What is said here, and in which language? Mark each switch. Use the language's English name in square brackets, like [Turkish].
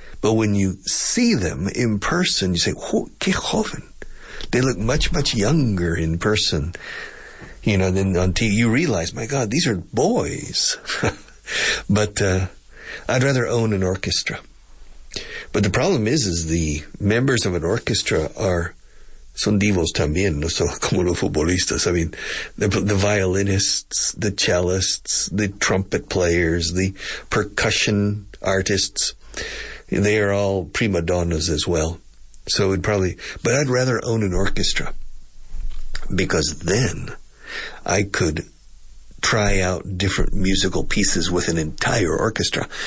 [English] But when you see them in person, you say, [Spanish] qué joven. [English] They look much, much younger in person, you know, than on TV. You realize, my God, these are boys. But I'd rather own an orchestra. But the problem is the members of an orchestra are... [Spanish] Son divos también, no son como los futbolistas. [English] I mean, the violinists, the cellists, the trumpet players, the percussion artists, they are all prima donnas as well. So it'd probably, but I'd rather own an orchestra because then I could try out different musical pieces with an entire orchestra.